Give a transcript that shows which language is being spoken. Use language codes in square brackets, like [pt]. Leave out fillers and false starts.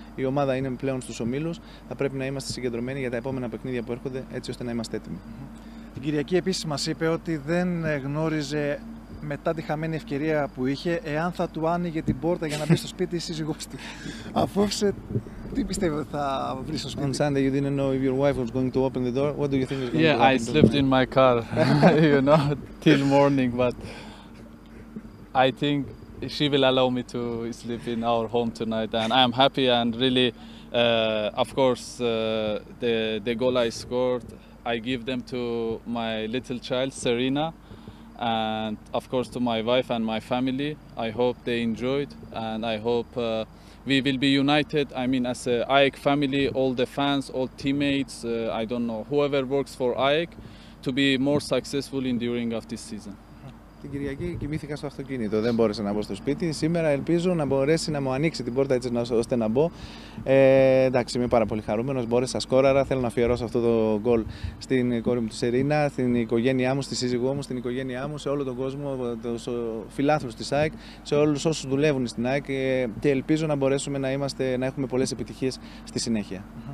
[el] Η ομάδα είναι πλέον στους ομίλους, θα πρέπει να είμαστε συγκεντρωμένοι για τα επόμενα παιχνίδια που έρχονται, έτσι ώστε να είμαστε έτοιμοι. Την Κυριακή επίσης μας είπε ότι δεν γνώριζε μετά τη χαμένη ευκαιρία που είχε εάν θα του άνοιγε την πόρτα για να μπει στο σπίτι η σύζυγός του. Αφού τι πιστεύω θα βρει στο σπίτι. [en] On Sunday you didn't know if your wife was going to open the door. What do you think is going yeah, to happen? Yeah, I slept in my car, you know, till morning, but I think she will allow me to sleep in our home tonight, and I'm happy and really, of course, the goal I scored, I give them to my little child Serena, and of course to my wife and my family. I hope they enjoyed, and I hope we will be united. I mean, as a AEK family, all the fans, all teammates, I don't know, whoever works for AEK, to be more successful in during of this season. [el] Την Κυριακή κοιμήθηκα στο αυτοκίνητο, δεν μπόρεσα να μπω στο σπίτι. Σήμερα ελπίζω να μπορέσει να μου ανοίξει την πόρτα έτσι ώστε να μπω. Εντάξει, είμαι πάρα πολύ χαρούμενος, μπόρεσα, σκόραρα. Θέλω να αφιερώσω αυτό το γκολ στην κόρη μου τη Σερίνα, στην οικογένειά μου, στη σύζυγό μου, στην οικογένειά μου, σε όλο τον κόσμο, τους φιλάθλους της ΑΕΚ, σε όλους όσους δουλεύουν στην ΑΕΚ, και ελπίζω να μπορέσουμε να έχουμε πολλές επιτυχίες στη συνέχεια.